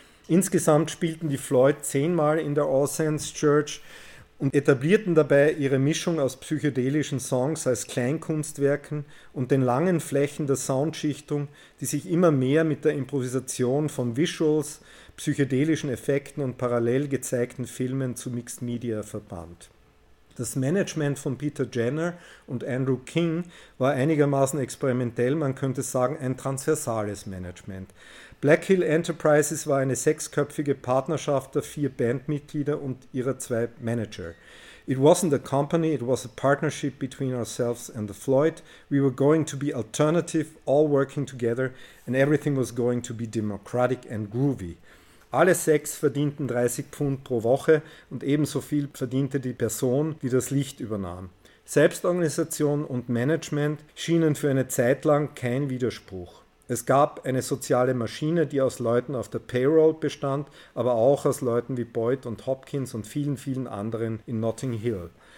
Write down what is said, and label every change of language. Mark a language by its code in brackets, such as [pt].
[de] Insgesamt spielten die Floyd 10-mal in der All Saints Church und etablierten dabei ihre Mischung aus psychedelischen Songs als Kleinkunstwerken und den langen Flächen der Soundschichtung, die sich immer mehr mit der Improvisation von Visuals, psychedelischen Effekten und parallel gezeigten Filmen zu Mixed Media verband. Das Management von Peter Jenner und Andrew King war einigermaßen experimentell, man könnte sagen ein transversales Management. Black Hill Enterprises war eine sechsköpfige Partnerschaft der vier Bandmitglieder und ihrer zwei Manager. [en] It wasn't a company, it was a partnership between ourselves and the Floyd. We were going to be alternative, all working together, and everything was going to be democratic and groovy. [de] Alle sechs verdienten 30 Pfund pro Woche und ebenso viel verdiente die Person, die das Licht übernahm. Selbstorganisation und Management schienen für eine Zeit lang kein Widerspruch. Es gab eine soziale Maschine, die aus Leuten auf der Payroll bestand, aber auch aus Leuten wie Boyd und Hopkins und vielen, vielen anderen in Notting Hill.